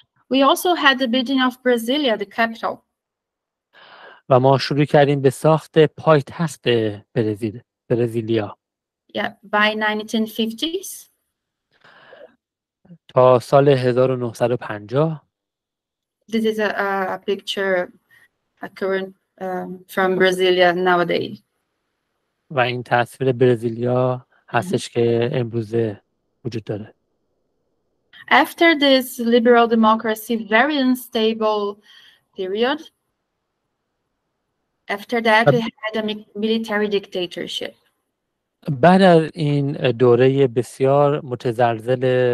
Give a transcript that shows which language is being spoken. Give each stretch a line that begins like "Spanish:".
English: We also had the building of Brasilia, the capital.
Persian: و ما شروع کردیم به ساخت پایتخت برزیل. برزیلیا.
English: By 1950s.
Persian: تا سال 1950.
English: This is a picture, a current from Brazilia nowadays.
Persian: و این تصویر برزیلیا هستش که امروزه وجود داره.
English: After this liberal democracy very unstable period, after that we had a military dictatorship.
Persian: بعد از این دوره بسیار متزلزل